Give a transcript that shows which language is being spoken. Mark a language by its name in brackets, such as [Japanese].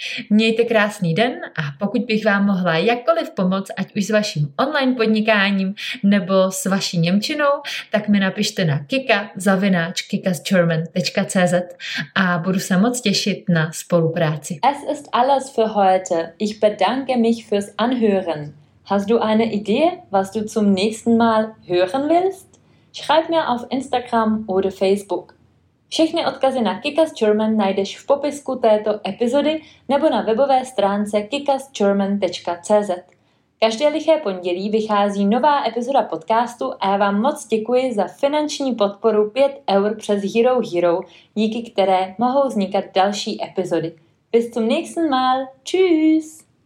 [Czech] Mějte krásný den a pokud bych vám mohla jakkoliv pomoct, ať už s vaším online podnikáním nebo s vaší němčinou, tak mi napište na kika@kikasgerman.cz a budu se moc těšit na spolupráci. [German] Es ist alles für heute. Ich bedanke mich fürs Anhören. Hast du eine Idee, was du zum nächsten Mal hören willst? Schreib mir auf Instagram oder Facebook. [Czech] Všechny odkazy na Kikas German najdeš v popisku této epizody nebo na webové stránce kikasgerman.cz. Každé liché pondělí vychází nová epizoda podcastu a já vám moc děkuji za finanční podporu 5 eur přes Hero Hero, díky které mohou vznikat další epizody. [German] Bis zum nächsten Mal. Tschüss!